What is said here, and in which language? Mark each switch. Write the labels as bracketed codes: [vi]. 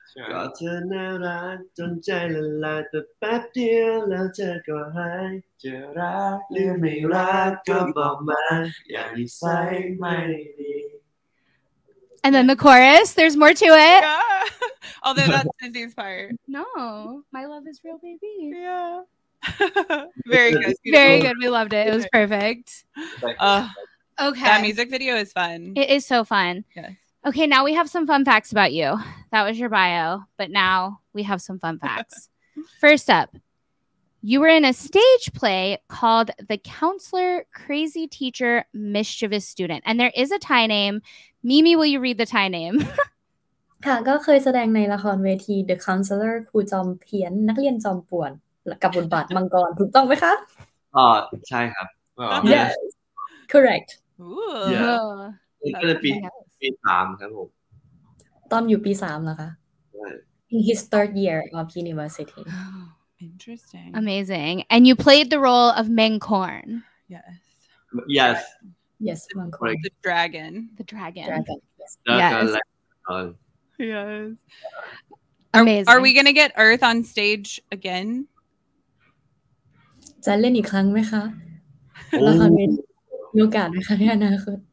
[th] ก็เธอน่ารักจนใจละลายแต่แป๊บเดียวแล้วเธอก็หายจะรักหรือไม่รักก็บอกมาอย่างนี้ใช่ไหม [en] And then the chorus, there's more to it. Yeah. Although that's Sizzy's part. No, my love is real, baby. Yeah. Very good. Beautiful. Very good. We loved it. It was perfect. Okay. That music video is fun. It is so fun. Yes. Okay, now we have some fun facts about you. That was your bio, but now we have some fun facts. First up, you were in a stage play called The Counselor, Crazy Teacher, Mischievous Student. And there is a Thai name. Mimi, will you read the Thai name? [th] ค่ะก็เคยแสดงในละครเวที The Counselor, ครูจอมเพี้ยนนักเรียนจอมป่วนกับบทบาทมังกรถูกต้องไหมคะ ใช่ครับ [en] Yes, correct. Ooh. Yeah. Yeah. [th] ปีสามครับ ผม ตอนอยู่ปีสามเหรอคะ [en] In his third year of university Interesting Amazing And you played the role of Meng Korn Yes Yes Yes Meng Korn The dragon The dragon, dragon. Yes Yes Amazing Are we gonna get Earth on stage again? [th] จะเล่นอีกครั้งไหมคะแล้วคะมีโอกาสไหมคะในอนาคต